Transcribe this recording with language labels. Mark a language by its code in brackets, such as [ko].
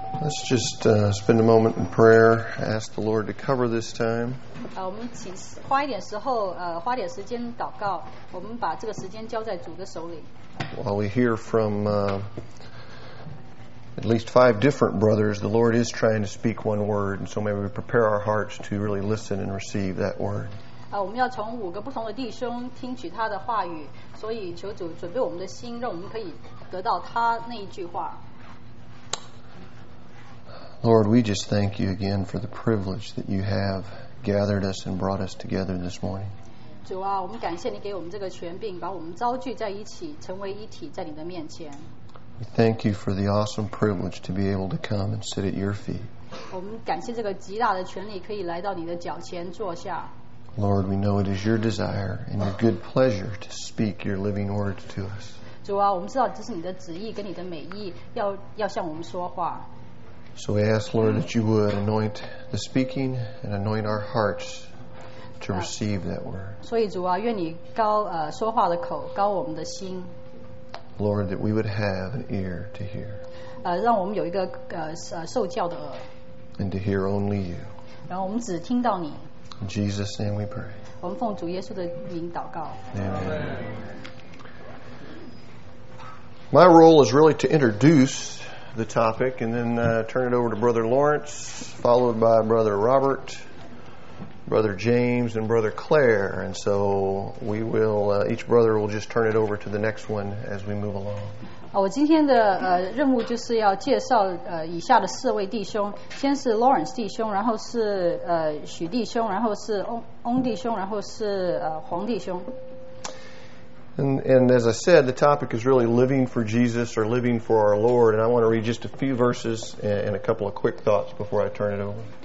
[en] Let's just spend a moment in prayer, ask the Lord to cover this time. [zh] 我们起花一点时候，花点时间祷告，我们把这个时间交在主的手里。 [en] While we hear from at least five different brothers, the Lord is trying to speak one word, and so may we prepare our hearts to really listen and receive that word. [zh] 我们要从五个不同的弟兄听取他的话语，所以求主准备我们的心，让我们可以得到他那一句话。 [en] Lord, we just thank you again for the privilege that you have gathered us and brought us together this morning. [zh] 主啊，我们感谢你给我们这个权柄，把我们召聚在一起，成为一体，在你的面前。 [en] We thank you for the awesome privilege to be able to come and sit at your feet. [zh] 我们感谢这个极大的权利，可以来到你的脚前坐下。 [en] Lord, we know it is your desire and your good pleasure to speak your living word to us. [zh] 主啊，我们知道这是你的旨意跟你的美意，要向我们说话。 [en] So we ask, Lord, that you would anoint the speaking and anoint our hearts to receive that word. [zh] 所以主啊，愿你膏说话的口，膏我们的心。 [en] Lord, that we would have an ear to hear. [zh] 让我们有一个受教的耳。 [en] And to hear only you. [zh] 然后我们只听到你。 [en] In Jesus' name we pray. [zh] 我们奉主耶稣的名祷告。 [en] Amen. My role is really to introduce the topic and then turn it over to Brother Lawrence, followed by Brother Robert, Brother James, and Brother Claire. And so we will, each brother will just turn it over to the next one as we move along. [zh] 我今天的任务就是要介绍以下的四位弟兄，先是 Lawrence 弟兄，然后是许弟兄，然后是 翁弟兄，然后是黄弟兄。 [en] And as I said, the topic is really living for Jesus or living for our Lord. And I want to read just a few verses and a couple of quick thoughts before I turn it over.